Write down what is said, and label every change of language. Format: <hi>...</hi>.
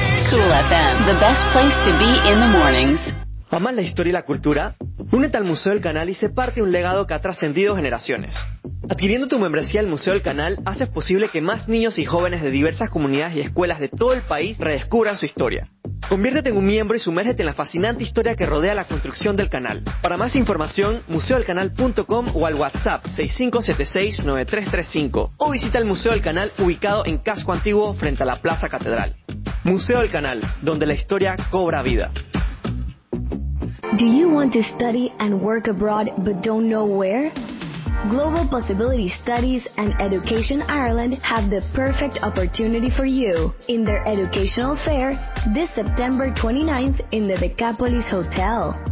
<en>Cool FM, the best place to be in the mornings.</en> <es>¿Amas la historia y la cultura? Únete al Museo del Canal y sé parte de un legado que ha trascendido generaciones. Adquiriendo tu membresía al Museo del Canal, haces posible que más niños y jóvenes de diversas comunidades y escuelas de todo el país redescubran su historia. Conviértete en un miembro y sumérgete en la fascinante historia que rodea la construcción del canal. Para más información, museodelcanal.com o al WhatsApp 6576-9335 o visita el Museo del Canal ubicado en Casco Antiguo frente a la Plaza Catedral. Museo del Canal, donde la historia cobra vida.</es> <en>Do you want to study and work abroad but don't know where? Global Possibility Studies and Education Ireland have the perfect opportunity for you in their educational fair this September 29th in the Decapolis Hotel.</en>